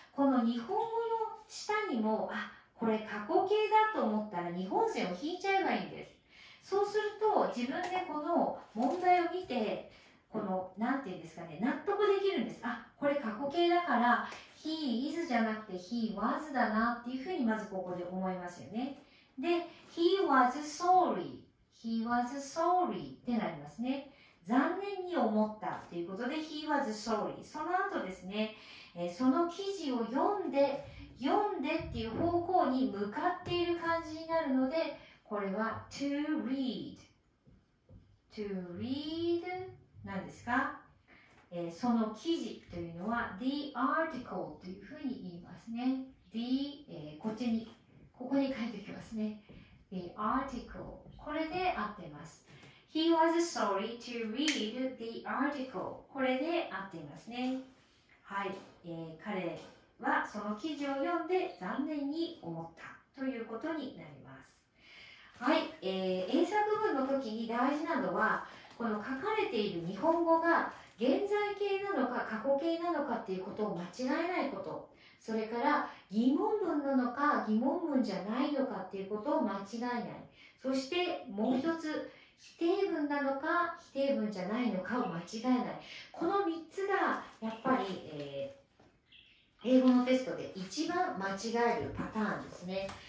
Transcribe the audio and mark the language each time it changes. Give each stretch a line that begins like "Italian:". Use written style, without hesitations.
Japanese: この日本語の下にも、あ、これ過去形だと思ったら日本線を引いちゃえばいいんです。そうすると自分でこの問題を見て、このなんて言うんですかね、納得できるんです。あ、これ過去形だから He is じゃなくて He was だなっていうふうにまずここで思いますよね。
English: で、He was sorry、 He was sorry ってなりますね。
Japanese: 残念に思ったということで He was sorry。その後ですね、その記事を読んでっていう方向に向かっている感じになるので、これは To read、 To read なんですか、その記事というのは The article というふうに言いますね。 The、こっちにここに書いておきますね。 The article、これで合ってます。
English: He was sorry to read the article。
Japanese: これで合っていますね。はい、彼はその記事を読んで残念に思ったということになります。はい、英作文の時に大事なのは、この書かれている日本語が現在形なのか過去形なのかっていうことを間違えないこと、それから疑問文なのか疑問文じゃないのかっていうことを間違えない、そしてもう一つ、否定文なのか否定文じゃないのかを間違えない、この3つがやっぱり、英語のテストで一番間違えるパターンですね。